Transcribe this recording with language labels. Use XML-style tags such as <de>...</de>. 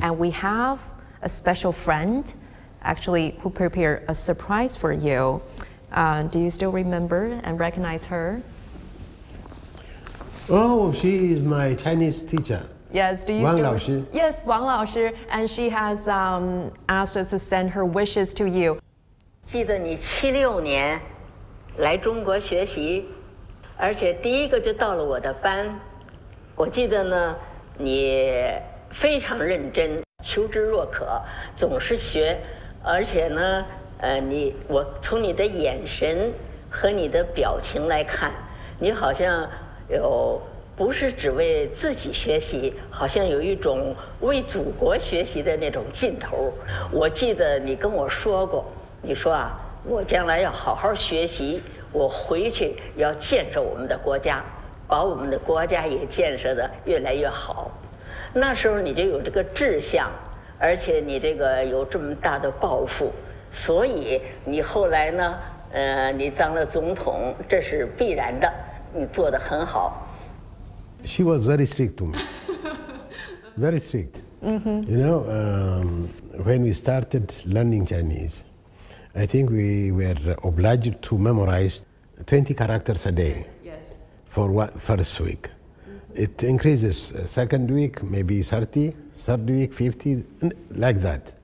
<en>And we have a special friend, actually, who prepared a surprise for you. Do you still remember and recognize her? Oh, she is my Chinese teacher. Yes, do you Wang still? Laoshi. Yes, Wang Laoshi, and she has asked us to send her wishes to you.</en> <zh>记得你76年来中国学习, 而且第一个就到了我的班, 我记得呢, 你非常认真, 求知若渴, 总是学, 而且呢, 你, 我从你的眼神, 和你的表情来看, 你好像不是只为自己学习, 好像有一种为祖国学习的那种劲头。我记得你跟我说过, 你说啊, 我将来要好好学习, 我回去要建设我们的国家, 把我们的国家也建设得越来越好。那时候你就有这个志向, 而且你这个有这么大的抱负, 所以你后来呢, 你当了总统, 这是必然的, 你做得很好。</zh> <en>She was very strict to me, very strict. Mm-hmm. You know, when we started learning Chinese, I think we were obliged to memorize 20 characters a day. Yes. For one, first week. Mm-hmm. It increases second week, maybe 30, third week, 50, like that.</en>